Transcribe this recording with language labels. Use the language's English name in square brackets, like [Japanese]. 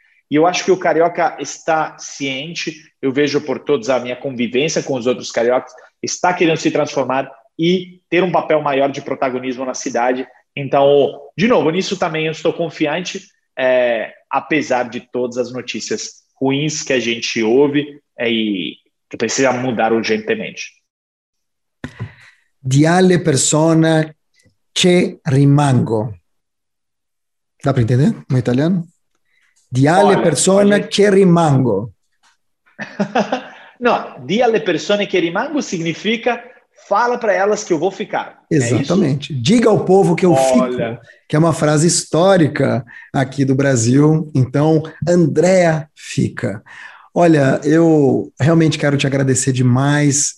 [Portuguese] E eu acho que o carioca está ciente, eu vejo por todos a minha convivência com os outros cariocas, está querendo se transformar e ter um papel maior de protagonismo na cidade. Então, de novo, nisso também eu estou confiante, apesar de todas as notícias ruins que a gente ouve e que precisa mudar urgentemente. [Italian] Di alle persone che rimango. [Portuguese] Dá para entender no italiano? [Italian] Di alle persone che rimango. [Portuguese] No, [Italian] di alle persone che rimango [Portuguese] significa fala para elas que eu vou ficar. Exatamente. É isso? Diga ao povo que eu fico, que é uma frase histórica aqui do Brasil. Então, Andrea fica. Olha, eu realmente quero te agradecer demais.